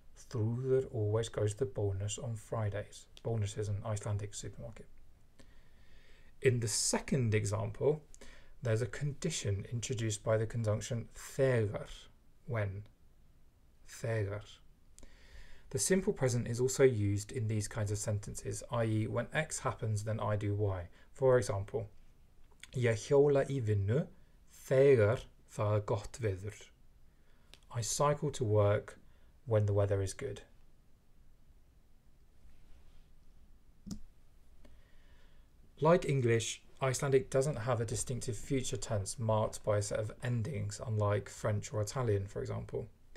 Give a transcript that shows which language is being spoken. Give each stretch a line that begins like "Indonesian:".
English: Þrúður always goes to the bónus on Fridays. Bónus is an Icelandic supermarket. In the second example, there's a condition introduced by the conjunction þegar, when. þegar. The simple present is also used in these kinds of sentences, i.e. when X happens, then I do Y.
Icelandic: For example, ég hjóla í vinnu þegar það gott veður.
English: I cycle to work when the weather is good. Like English, Icelandic doesn't have a distinctive future tense marked by a set of endings, unlike French or Italian, for example.